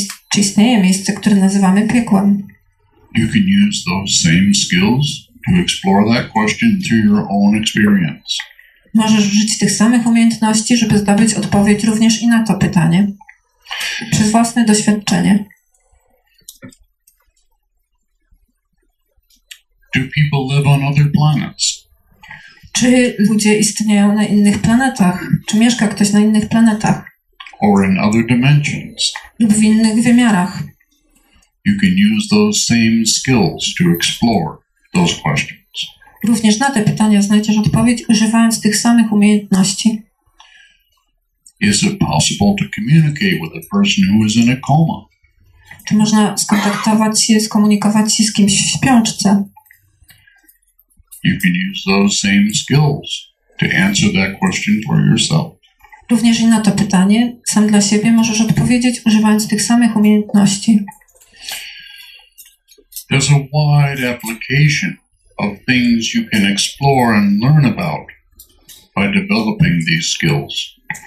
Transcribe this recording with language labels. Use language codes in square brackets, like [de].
[pl] Czy istnieje miejsce, które nazywamy piekłem? [en] you can use those same skills to explore that question through your own experience. [pl] Możesz użyć tych samych umiejętności, żeby zdobyć odpowiedź również i na to pytanie. Przez własne doświadczenie. [en] Do people live on other planets? [pl] Czy ludzie istnieją na innych planetach? Czy mieszka ktoś na innych planetach? [en] Or in other dimensions? [pl] Lub w innych wymiarach. [en] You can use those same skills to explore those questions. [pl] Również na te pytania znajdziesz odpowiedź, używając tych samych umiejętności. [en] Is it possible to communicate with a person who is in a coma? [pl] Czy można skontaktować się, skomunikować się z kimś w śpiączce? [en] You can use those same skills to answer that question for yourself. [pl] Również i na to pytanie sam dla siebie możesz odpowiedzieć, używając tych samych umiejętności. [en] There's a wide application of things you can explore and learn about by developing these skills.